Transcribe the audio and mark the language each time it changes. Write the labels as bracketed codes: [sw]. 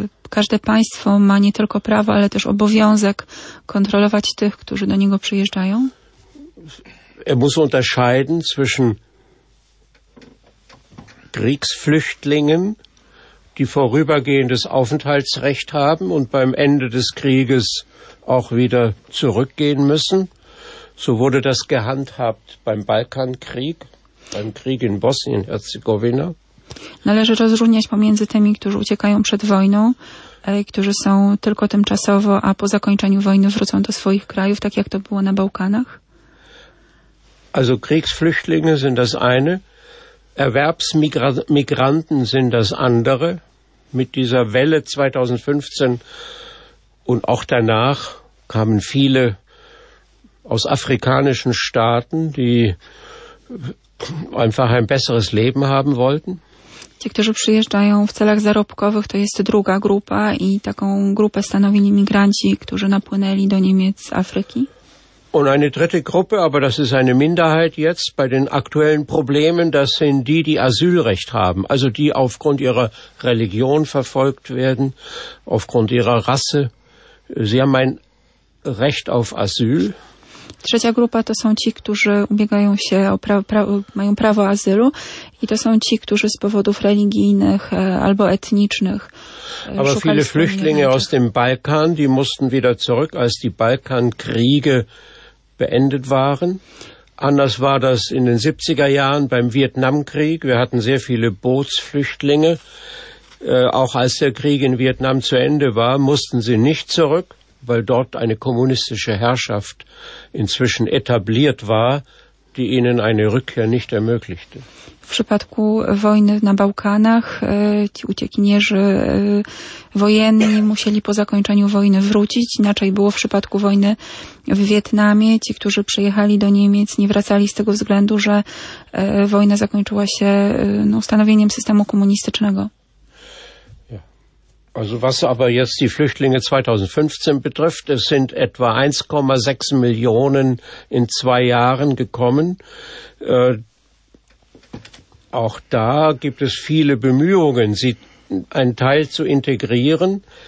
[pl] Każde państwo ma nie tylko prawo, ale też obowiązek kontrolować tych, którzy do niego przyjeżdżają. [de] er muss unterscheiden zwischen Kriegsflüchtlingen, die vorübergehendes Aufenthaltsrecht haben und beim Ende des Krieges auch wieder zurückgehen müssen. So wurde das gehandhabt beim Balkankrieg, beim Krieg in Bosnien-Herzegowina. [pl] Należy rozróżniać pomiędzy tymi, którzy uciekają przed wojną, którzy są tylko tymczasowo, a po zakończeniu wojny wrócą do swoich krajów, tak jak to było na Bałkanach. [de] Also Kriegsflüchtlinge sind das eine, Erwerbsmigranten sind das andere. Mit dieser Welle 2015 und auch danach kamen viele aus afrikanischen Staaten, die einfach ein besseres Leben haben wollten. [pl] Ci, którzy przyjeżdżają w celach zarobkowych, to jest druga grupa i taką grupę stanowili migranci, którzy napłynęli do Niemiec z Afryki. [de] Und eine dritte Gruppe, aber das ist eine Minderheit jetzt bei den aktuellen Problemen, das sind die, die Asylrecht haben, also die aufgrund ihrer Religion verfolgt werden, aufgrund ihrer Rasse. Sie haben ein Recht auf Asyl. [pl] Trzecia grupa to są ci, którzy ubiegają się o mają prawo azylu i to są ci, którzy z powodów religijnych albo etnicznych. [de] Aber viele Flüchtlinge aus dem Balkan, die mussten wieder zurück, als die Balkankriege beendet waren. Anders war das in den 70er Jahren beim Vietnamkrieg. Wir hatten sehr viele Bootsflüchtlinge. Auch als der Krieg in Vietnam zu Ende war, mussten sie nicht zurück, weil dort eine kommunistische Herrschaft inzwischen etabliert war, die ihnen eine Rückkehr nicht ermöglichte. [pl] W przypadku wojny na Bałkanach ci uciekinierzy wojenni musieli po zakończeniu wojny wrócić. Inaczej było w przypadku wojny w Wietnamie. Ci, którzy przyjechali do Niemiec, nie wracali z tego względu, że wojna zakończyła się ustanowieniem systemu komunistycznego. [de] Ja. Also was aber jetzt die Flüchtlinge 2015 betrifft, es sind etwa 1,6 Millionen in zwei Jahren gekommen. Auch da gibt es viele Bemühungen, sie einen Teil zu integrieren.